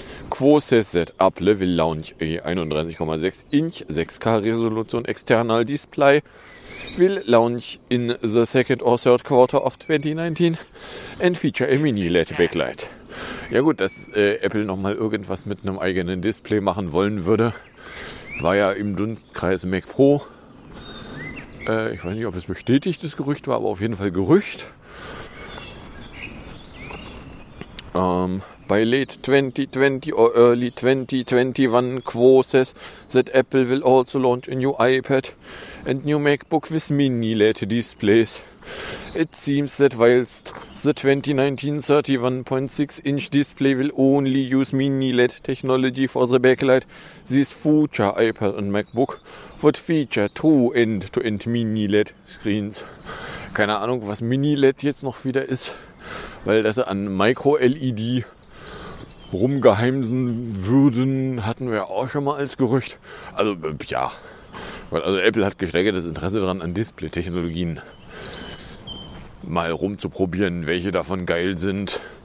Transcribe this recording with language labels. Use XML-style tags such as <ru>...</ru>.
<en>Quo says that Apple will launch a 31,6 inch 6K Resolution External Display, will launch in the second or third quarter of 2019 and feature a Mini LED Backlight.</en> <de>Ja gut, dass Apple nochmal irgendwas mit einem eigenen Display machen wollen würde, war ja im Dunstkreis Mac Pro. Ich weiß nicht, ob es bestätigtes Gerücht war, aber auf jeden Fall Gerücht.</de> <en>By late 2020 or early 2021, Quo says that Apple will also launch a new iPad and new MacBook with Mini LED displays. It seems that whilst the 2019 31.6-inch display will only use Mini LED technology for the backlight, this future iPad and MacBook would feature two end-to-end Mini LED screens.</en> <de>Keine Ahnung, was Mini LED jetzt noch wieder ist, weil das an Micro-LED rumgeheimsen würden, hatten wir auch schon mal als Gerücht. Also, ja. Also Apple hat gesteigertes Interesse daran, an Display-Technologien mal rumzuprobieren, welche davon geil sind.</de>